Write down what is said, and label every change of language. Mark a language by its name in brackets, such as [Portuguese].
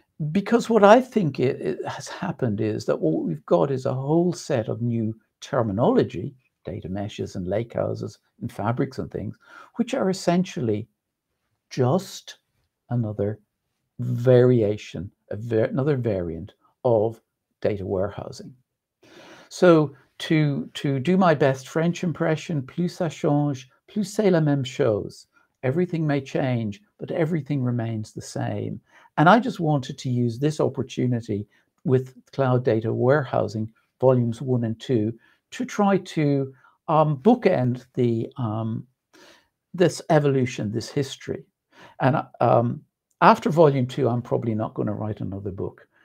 [English] Because what I think it has happened is that what we've got is a whole set of new terminology, data meshes and lakehouses and fabrics and things, which are essentially just another variation, another variant of data warehousing. So to do my best French impression, [French] plus ça change, plus c'est la même chose. [English] Everything may change, but everything remains the same. And I just wanted to use this opportunity with Cloud Data Warehousing, Volumes 1 and 2, to try to bookend this evolution, this history. And after Volume 2, I'm probably not going to write another book.